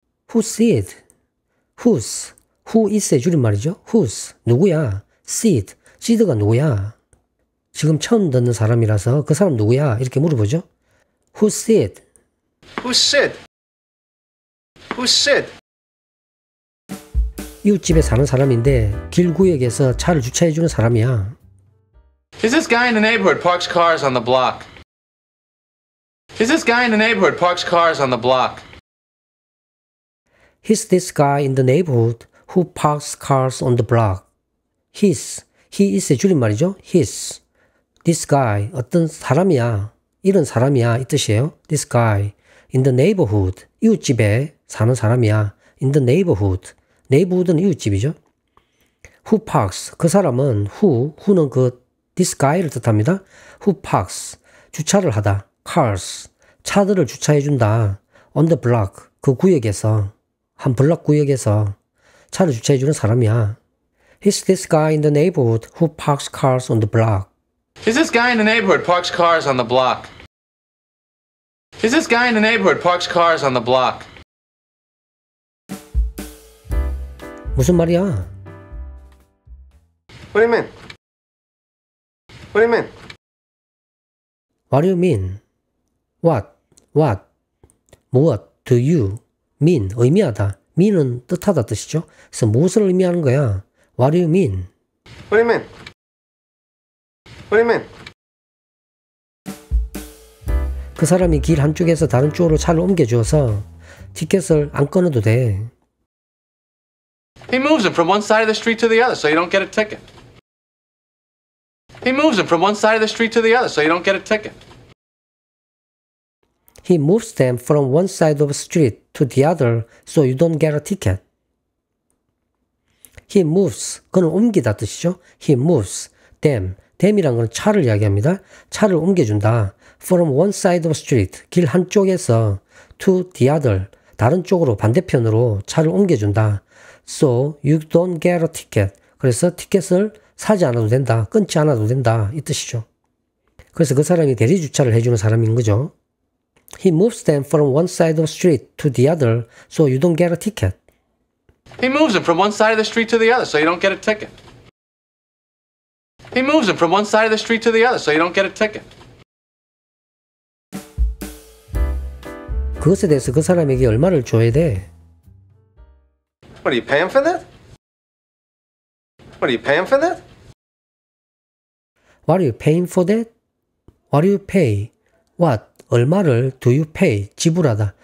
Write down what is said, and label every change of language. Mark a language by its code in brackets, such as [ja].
[en] Who's Sid? Who's? [ko] Who is의 줄임말이죠? Who's? 누구야? Sid. Sid가 누구야? 지금 처음 듣는 사람이라서 그 사람 누구야? 이렇게 물어보죠. [en] Who's Sid? Who's Sid? Who's Sid? [ko] 이웃집에 사는 사람인데 길구역에서 차를 주차해주는 사람이야. [en] Is this guy in the neighborhood parks cars on the block? Is this guy in the neighborhood parks cars on the block? He's this guy in the neighborhood who parks cars on the block. [ko] He's, he is의 줄임말이죠. [en] He's, this guy, [ko] 어떤 사람이야, 이런 사람이야 이 뜻이에요. [en] This guy, in the neighborhood, [ko] 이웃집에 사는 사람이야. [en] In the neighborhood, [ko] neighborhood은 이웃집이죠. Who parks, 그 사람은 who, who는 그 this guy를 뜻합니다. [en] Who parks, [ko] 주차를 하다, cars, 차들을 주차해준다, on the block, 그 구역에서. 한 블록 구역에서 차를 주차해 주는 사람이야. [en] He's this guy in the neighborhood who parks cars on the block. Is this guy in the neighborhood parks cars on the block? Is this guy in the neighborhood parks cars on the block? [ko] 무슨 말이야? [en] What do you mean? What do you mean? What do you mean? What? What? [ko] 무엇? [en] Do you mean? [ko] 의미하다. mean은 뜻하다 뜻이죠. 그래서 무엇을 의미하는 거야? [en] What do you mean? What do you mean? What do you mean? [ko] 그 사람이 길 한쪽에서 다른 쪽으로 차를 옮겨줘서 티켓을 안 꺼내도 돼. [en] He moves it from one side of the street to the other so you don't get a ticket. He moves it from one side of the street to the other so you don't get a ticket. He moves them from one side of the street to the other so you don't get a ticket. He moves, [ko] 그는 옮기다 뜻이죠. [en] He moves them. [ko] them이란 건 차를 이야기합니다. 차를 옮겨준다. [en] From one side of the street, [ko] 길 한쪽에서 to the other, 다른 쪽으로 반대편으로 차를 옮겨준다. [en] So you don't get a ticket. [ko] 그래서 티켓을 사지 않아도 된다. 끊지 않아도 된다. 이 뜻이죠. 그래서 그 사람이 대리주차를 해주는 사람인 거죠. [en] He moves them from one side of the street to the other so you don't get a ticket. He moves them from one side of the street to the other so you don't get a ticket. He moves them from one side of the street to the other so you don't get a ticket. [ko] 그것에 대해서 그 사람에게 얼마를 줘야 돼? [en] What are you paying for that? What are you paying for that? What are you paying for that? What do you pay? What? [ko] 얼마를 [en] do you pay, [ko] 지불하다.